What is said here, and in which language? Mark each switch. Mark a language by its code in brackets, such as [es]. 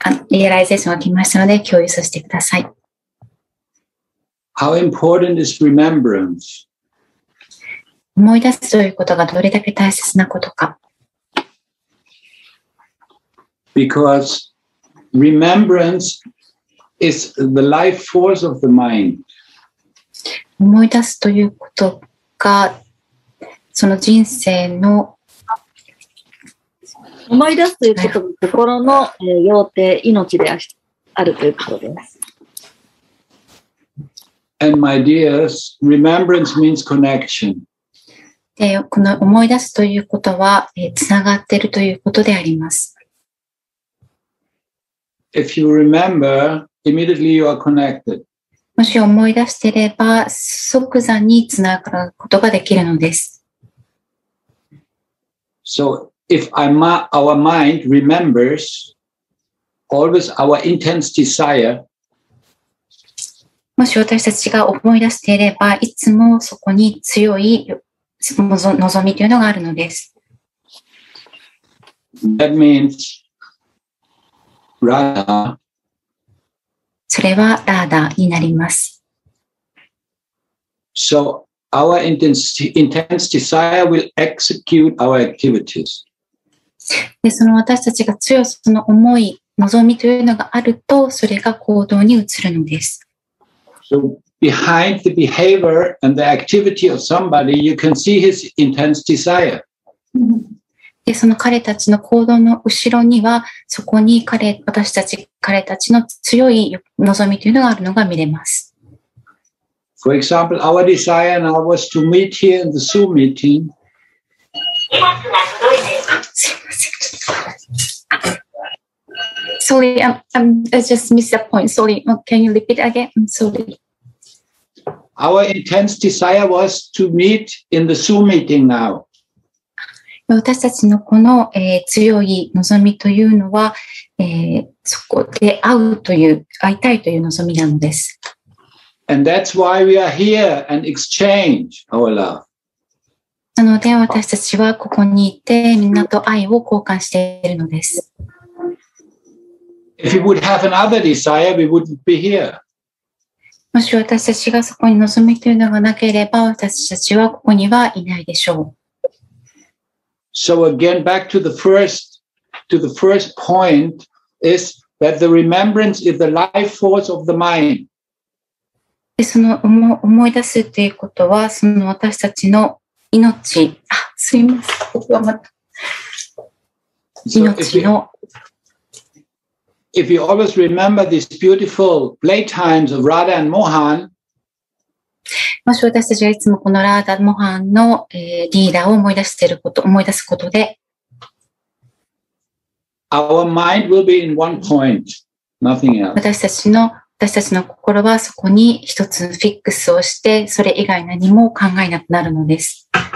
[ja] Realization が来ましたので共有させてください。 [en] How important is remembrance? [ja] 思い出すということがどれだけ大切なことか。 [en] Because remembrance is the life force of the mind. [ja] 思い出すということが、その人生の、思い出すということが心の要諦、命であるということです。 [en] And my dears, remembrance means connection. [ja] この思い出すということは、つながっているということであります。 [en] If you remember, immediately you are connected. [ja] もし思い出していれば、即座につながることができるのです。 [en] So, if our mind remembers, always our intense desire, [ja] もし私たちが思い出していれば、いつもそこに強い望みというのがあるのです。 [en] That means, Radha. [ja] それはラーダになります。 [en] So, our intense desire will execute our activities. [ja] で、その私たちが強いその思い、望みというのがあると、それが行動に移るのです。 [en] So,Behind the behavior and the activity of somebody, you can see his intense desire. [ja] で、その彼たちの行動の後ろには、そこに彼たちの強い望みというのがあるのが見れます。 [en] For example, our desire now was to meet here in the Zoom meeting. Sorry, I just missed a point. Sorry, can you repeat again? I'm sorry. Our intense desire was to meet in the Zoom meeting now. [ja] 私たちのこの、強い望みというのは、そこで会いたいという望みなのです。 [en] And that's why we are here and exchange our love. [ja] なので私たちはここにいてみんなと愛を交換しているのです。 [en] If we would have another desire, we wouldn't be here. [ja] もし私たちがそこに望みというのがなければ、私たちはここにはいないでしょう。 [en] So again, back to the first point is that the remembrance is the life force of the mind. [ja] で、その思い出すということは、その私たちの命、すみません、ここはまた、命の。 [en] If you always remember these beautiful playtimes of Radha and Mohan, [ja] もし私たちがいつもこのラーダ・モハンの、リーダーを思い出していること、思い出すことで、 [en] our mind will be in one point, nothing else. [ja] 私たちの心はそこに一つフィックスをして、それ以外何も考えなくなるのです。